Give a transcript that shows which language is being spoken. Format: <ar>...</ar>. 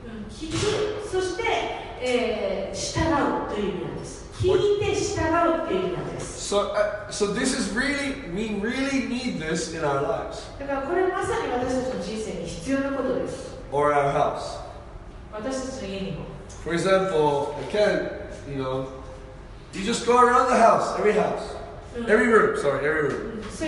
<ja>聞く、そして、従うという意味なんです。聞いて従うという意味なんです。</ja> <en>So this is really, we really need this in our lives.</en> <ja>だからこれまさに私たちの人生に必要なことです。</ja> <en>Or our house.</en> <ja>私たちの家にも。</ja> <en>For example, again, you know, you just go around the house, every house. Every room, sorry, every room.</en>